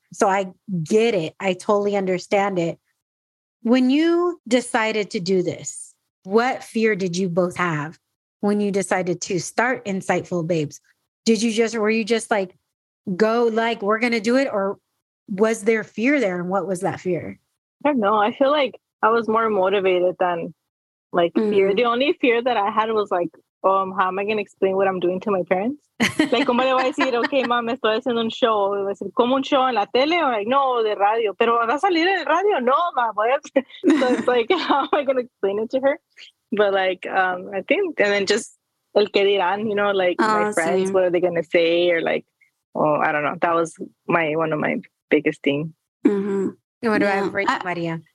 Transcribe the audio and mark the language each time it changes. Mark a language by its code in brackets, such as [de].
[en] So I get it. I totally understand it. When you decided to do this, what fear did you both have when you decided to start Insightful Babes? Were you just like, we're going to do it? Or was there fear there? And what was that fear? I don't know. I feel like I was more motivated than like fear. The only fear that I had was like, how am I going to explain what I'm doing to my parents? [es] Like, ¿cómo le voy a decir, [en] okay, mom, [es] estoy haciendo un show? Y voy a decir, ¿cómo un show? ¿En la tele? [en] Or like, [es] no, de radio. ¿Pero va a salir en el radio? [en] No, mom. So it's like, how am I going to explain it to her? But like, I think, and then just [es] el que dirán, [en] you know, like my friends, what are they going to say? Or like, I don't know. That was one of my biggest thing. Mm-hmm. What do I have for Maria?